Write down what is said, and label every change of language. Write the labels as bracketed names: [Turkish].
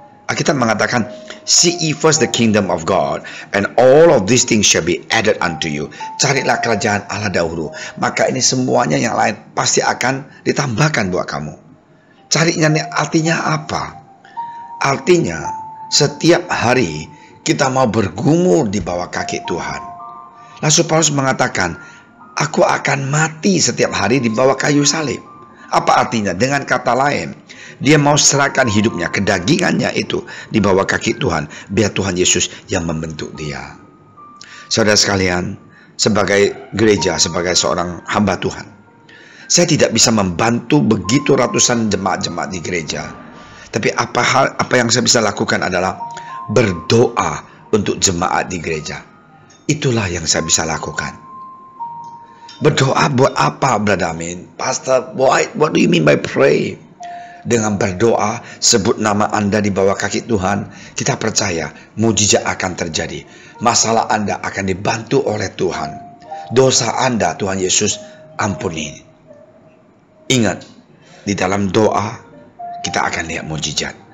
[Indonesian] Kita mengatakan, [English] "Seek ye first the kingdom of God, and all of these things shall be added unto you." [Indonesian] Carilah kerajaan Allah dahulu, maka ini semuanya yang lain pasti akan ditambahkan buat kamu. Carinya ini artinya apa? Artinya setiap hari kita mau bergumul di bawah kaki Tuhan. Rasul Paulus mengatakan, aku akan mati setiap hari di bawah kayu salib. Apa artinya? Dengan kata lain, dia mau serahkan hidupnya, kedagingannya itu di bawah kaki Tuhan. Biar Tuhan Yesus yang membentuk dia. Saudara sekalian, sebagai gereja, sebagai seorang hamba Tuhan, saya tidak bisa membantu begitu ratusan jemaat-jemaat di gereja. Tapi apa yang saya bisa lakukan adalah berdoa untuk jemaat di gereja. Itulah yang saya bisa lakukan. Berdoa buat apa, Brother Amin? [English] Pastor, what do you mean by pray? [Indonesian] Dengan berdoa, sebut nama Anda di bawah kaki Tuhan, kita percaya mujizat akan terjadi. Masalah Anda akan dibantu oleh Tuhan. Dosa Anda, Tuhan Yesus ampuni. Ingat, di dalam doa kita akan lihat mujizat.